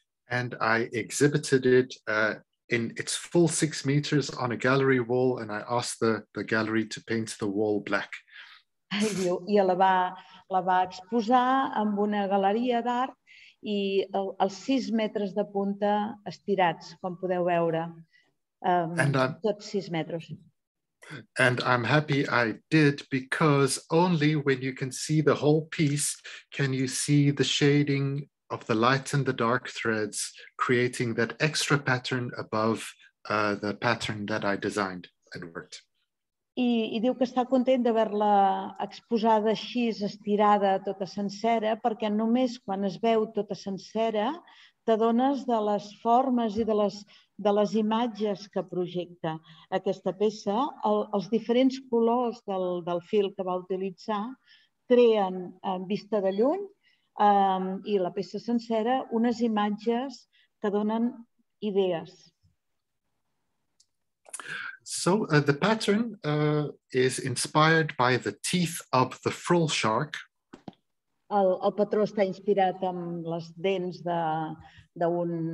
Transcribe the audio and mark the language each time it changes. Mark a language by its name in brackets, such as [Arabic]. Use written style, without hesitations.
[English] And I exhibited it in its full 6 meters on a gallery wall, and I asked the gallery to paint the wall black. [Catalan] I la va exposar en una galeria d'art i els 6 metres de punta estirats, com podeu veure. [English] And I'm happy I did, because only when you can see the whole piece can you see the shading of the light and the dark threads creating that extra pattern above the pattern that I designed and worked. [Catalan] I diu que està content d'haver-la exposada així, estirada, tota sencera, perquè només quan es veu tota sencera t'adones de les formes i de les imatges que projecta aquesta peça. Els diferents colors del fil que va utilitzar creen, en vista de lluny, i la peça sencera, unes imatges que donen idees. [English] So the pattern is inspired by the teeth of the frill shark. [Catalan] El patró està inspirat amb les dents d'un...